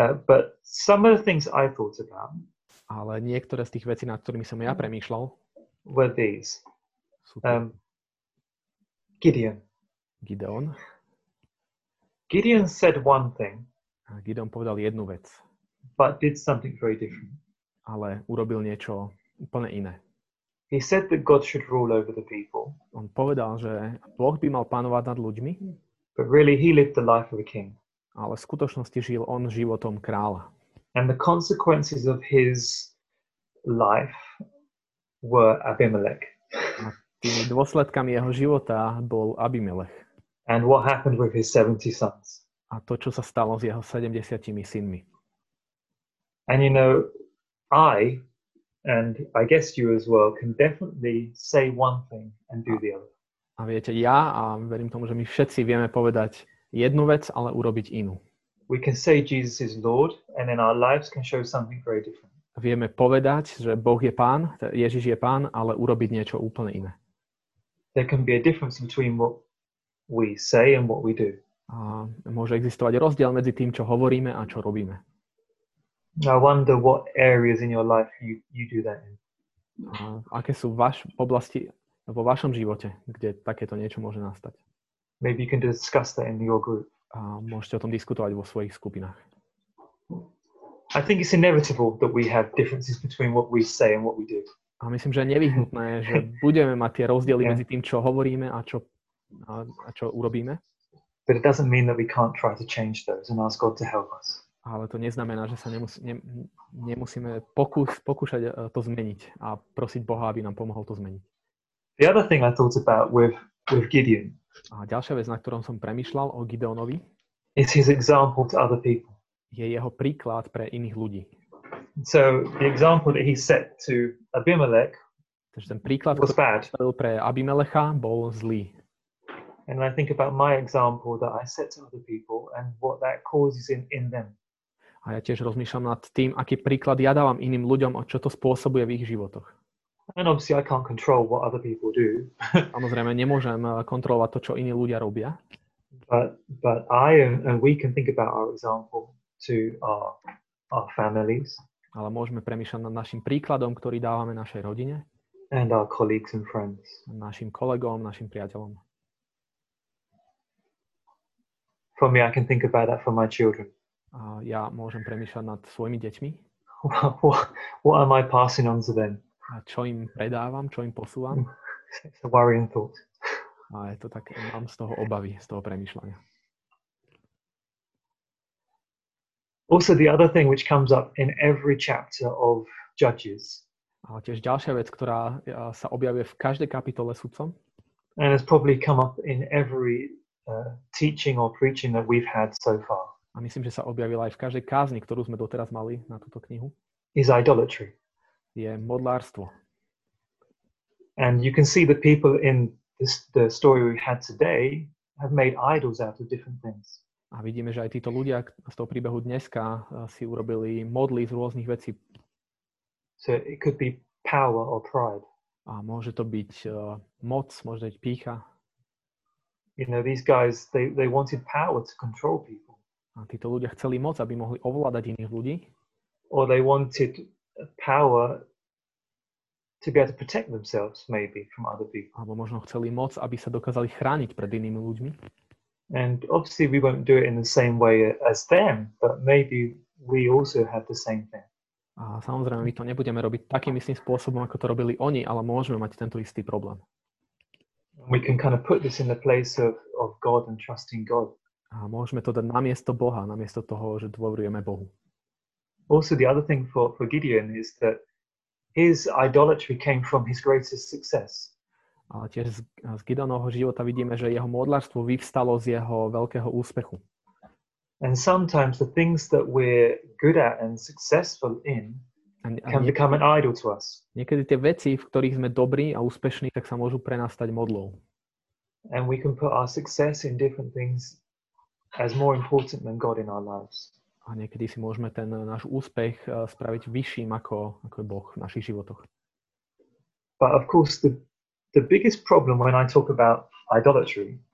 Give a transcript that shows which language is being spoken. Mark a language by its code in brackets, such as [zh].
[en] But some of the things I thought about. [sk] Ale niektoré z tých vecí, nad ktorými som ja premýšľal, [en] were these. Gideon. Gideon said one thing. [sk] A Gideon povedal jednu vec. [en] But did something very different. [sk] Ale urobil niečo úplne iné. [en] He said that God should rule over the people. [sk] On povedal, že Boh by mal panovať nad ľuďmi. [en] But really he lived the life of a king. [sk] Ale v skutočnosti žil on životom kráľa. [en] And the consequences of his life were Abimelech. [sk] A tými dôsledkami jeho života bol Abimelech. [en] And what happened with his 70 sons. [sk] A to, čo sa stalo s jeho 70 synmi. [en] And you know, I and I guess you as well can definitely say one thing and do the other. [sk] A viete, ja a verím tomu, že my všetci vieme povedať jednu vec, ale urobiť inú. [en] We can say Jesus is Lord and in our lives can show something very different. [sk] Vieme povedať, že Boh je Pán, Ježiš je Pán, ale urobiť niečo úplne iné. [en] There can be a difference between what we say and what we do. [sk] A môže existovať rozdiel medzi tým, čo hovoríme a čo robíme. [en] I wonder what areas in your life you do that in. [sk] Aké sú vaše oblasti vo vašom živote, kde takéto niečo môže nastať? [en] Maybe you can discuss that in your group. [sk] A môžete o tom diskutovať vo svojich skupinách. [en] I think it's inevitable that we have differences between what we say and what we do. [sk] A myslím, že je nevyhnutné, že budeme mať tie rozdiely medzi tým, čo hovoríme a čo urobíme. [en] But it doesn't mean that we can't try to change those and ask God to help us. [sk] Ale to neznamená, že sa nemusíme pokúšať to zmeniť a prosiť Boha, aby nám pomohol to zmeniť. [en] The other thing I thought about with Gideon. [sk] A ďalšia vec, na ktorom som premýšľal o Gideonovi, [en] is his example to other people. [sk] je jeho príklad pre iných ľudí. [en] So the example that he set to Abimelech. [sk] Takže ten príklad, ktorý spravil pre Abimelecha, bol zlý. [en] And I think about my example that I set to other people and what that causes in them. [sk] A ja tiež rozmýšľam nad tým, aký príklad ja dávam iným ľuďom a čo to spôsobuje v ich životoch. [en] And obviously I can't control what other people do. [sk] Samozrejme, nemôžem kontrolovať to, čo iní ľudia robia. [en] But I and we can think about our example to our families. [sk] Ale môžeme premýšľať nad našim príkladom, ktorý dávame našej rodine. [en] And our colleagues and friends. [sk] Našim kolegom, našim priateľom. [en] For me, I can think about that for my children. [sk] A ja môžem premýšľať nad svojimi deťmi. [en] What am I passing on to them? [sk] A čo im predávam, čo im posúvam? [en] It's a worrying thought. [sk] A je to také, mám z toho obavy, z toho premýšľania. [en] Also the other thing which comes up in every chapter of Judges. [sk] A tiež ďalšia vec, ktorá sa objavuje v každej kapitole sudcom. [en] And it's probably come up in every teaching or preaching that we've had so far. [sk] A myslím, že sa objavila aj v každej kázni, ktorú sme doteraz mali na túto knihu. [en] Is idolatry. [sk] Je modlárstvo. [en] And you can see the people in the story we had today have made idols out of different things. [sk] A vidíme, že aj títo ľudia z toho príbehu dneska si urobili modly z rôznych vecí. [en] So it could be power or pride. [sk] A môže to byť moc, môže to byť pícha. [en] You know, these guys, they wanted power to control people. [sk] A títo ľudia chceli moc, aby mohli ovládať iných ľudí. [en] Or they wanted power to be able to protect themselves maybe from other people. [sk] Alebo možno chceli moc, aby sa dokázali chrániť pred inými ľuďmi. [en] And obviously we won't do it in the same way as them, but maybe we also have the same thing. [sk] A samozrejme, my to nebudeme robiť takým istým spôsobom, ako to robili oni, ale môžeme mať tento istý problém. [en] We can kind of put this in the place of God and trusting God. [sk] A môžeme to dať na miesto Boha, na miesto toho, že dôverujeme Bohu. [en] Also the other thing for Gideon is that his idolatry came from his greatest success. [sk] A tiež z Gideonovho života vidíme, že jeho modlárstvo vyvstalo z jeho veľkého úspechu. [en] And sometimes the things that we're good at and successful in can become an idol to us. [sk] Niekedy tie veci, v ktorých sme dobrí a úspešní, tak sa môžu pre nás stať modlou. [en] And we can put our success in different things as more important than God in our lives. [sk] A niekedy si môžeme ten náš úspech spraviť vyšším ako Boh v našich životoch. [en] But of course the biggest problem when I talk about idolatry.